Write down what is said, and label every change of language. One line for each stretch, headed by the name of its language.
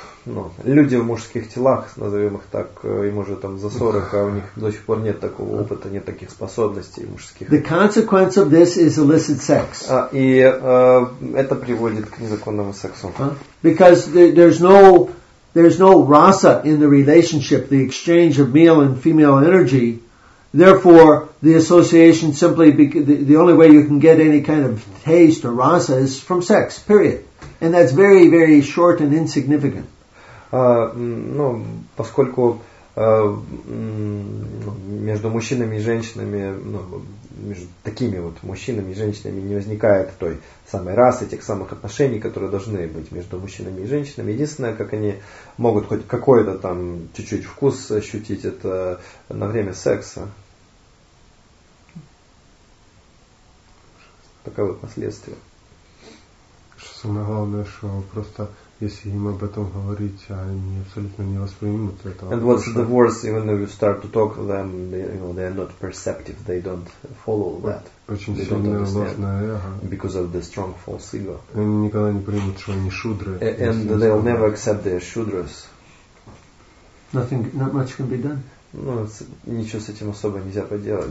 Russian: ну, люди в мужских телах, назовем их так, им уже там за 40, а у них до сих пор нет такого опыта, нет таких способностей мужских.
English: The consequence of this is illicit sex.
Russian: И это приводит к незаконному сексу.
English: Because there's no rasa in the relationship, the exchange of male and female energy. Therefore, the association simply, the only way you can get any kind of taste or rasa is from sex, period. And that's very, very short and insignificant.
Russian: Ну, поскольку между мужчинами и женщинами, ну, между такими вот мужчинами и женщинами не возникает той самой расы, тех самых отношений, которые должны быть между мужчинами и женщинами. Единственное, как они могут хоть какой-то там чуть-чуть вкус ощутить, это на время секса. Таковы последствия. Что самое главное, что просто если им об этом говорить, они абсолютно не воспримут этого.
English: And what's the worst, even if you start to talk to them, they, you know, they are not perceptive, they don't follow that.
Russian: Очень сильное ложное эго.
English: Because of the strong false ego.
Russian: Они никогда не примут, что они шудры.
English: And they'll never accept their shudras. Nothing, not much can be done.
Russian: Ну, ничего с этим особо нельзя поделать.